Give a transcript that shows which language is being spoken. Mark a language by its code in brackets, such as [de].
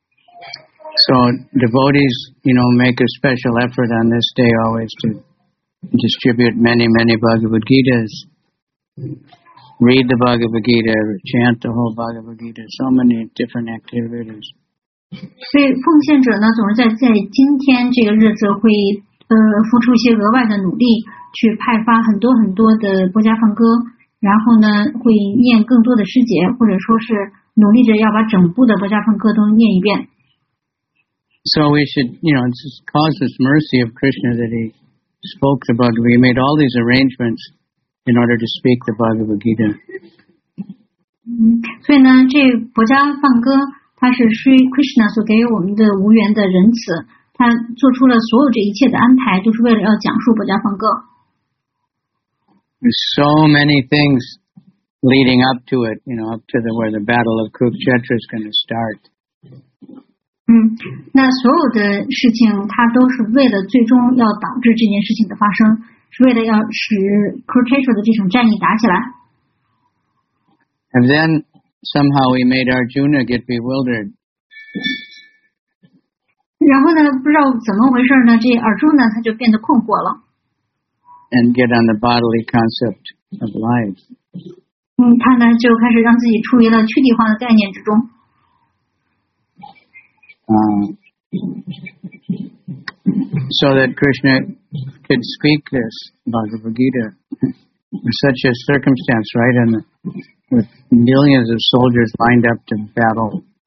[en] So devotees, you know, make a special effort on this day always to distribute many, many Bhagavad Gitas, read the Bhagavad Gita, chant the whole Bhagavad Gita, so many different activities. [zh] 所以奉献者呢总是在今天这个日子会付出一些额外的努力去派发很多很多的波迦梵歌，然后呢会念更多的诗节，或者说是努力着要把整部的波迦梵歌都念一遍。 [en] So we should, you know, it just causes mercy of Krishna that he spoke the Bhagavad Gita. We made all these arrangements in order to speak the Bhagavad Gita. [zh] 所以呢，这佛家梵歌，它是 Sri Krishna 所给我们的无缘的仁慈，他做出了所有这一切的安排，就是为了要讲述佛家梵歌。 [en] There's so many things leading up to it, you know, up to the where the battle of Kurukshetra is going to start. [zh] 那所有的事情它都是为了最终要导致这件事情的发生，是为了要使 Kurukshetra 的这种战役打起来。 [en] And then somehow we made Arjuna get bewildered. [zh] 然后呢不知道怎么回事呢，这 Arjuna 他就变得困惑了。 [en] And get on the bodily concept of life. [zh] 他呢就开始让自己处于了躯体化的概念之中。 [en] So that Krishna could speak this Bhagavad Gita in such a circumstance, right? And with millions of soldiers lined up to battle.